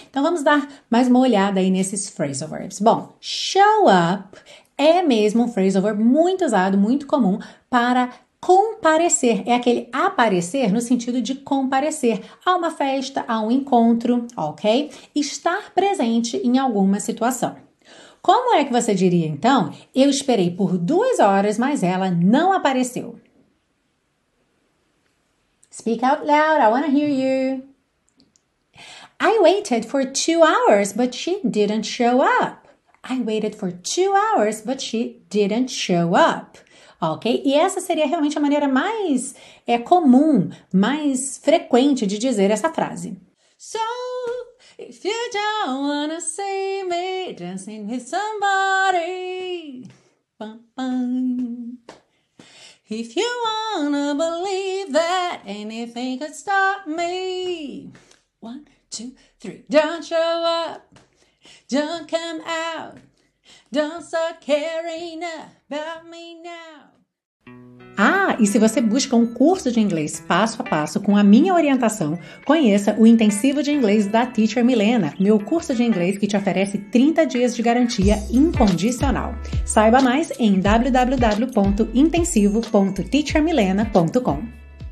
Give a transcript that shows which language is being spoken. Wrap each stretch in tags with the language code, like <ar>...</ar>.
<pt>Então vamos dar mais uma olhada aí nesses phrasal verbs. Bom, show up é mesmo um phrasal verb muito usado, muito comum para comparecer. É aquele aparecer no sentido de comparecer a uma festa, a um encontro, ok? Estar presente em alguma situação. Como é que você diria, então, eu esperei por 2 horas, mas ela não apareceu?</pt> <en>Speak out loud, I want to hear you. I waited for 2 hours, but she didn't show up. I waited for 2 hours, but she didn't show up. Ok?</en> <pt>E essa seria realmente a maneira mais comum, mais frequente de dizer essa frase.</pt> <en>So, if you don't wanna see me dancing with somebody, bum, bum. If you wanna believe that anything could stop me, 1, 2, 3, don't show up, don't come out, don't start caring about me now.</en> <pt>Ah, e se você busca um curso de inglês passo a passo com a minha orientação, conheça o Intensivo de Inglês da Teacher Milena, meu curso de inglês que te oferece 30 dias de garantia incondicional. Saiba mais em www.intensivo.teachermilena.com.</pt>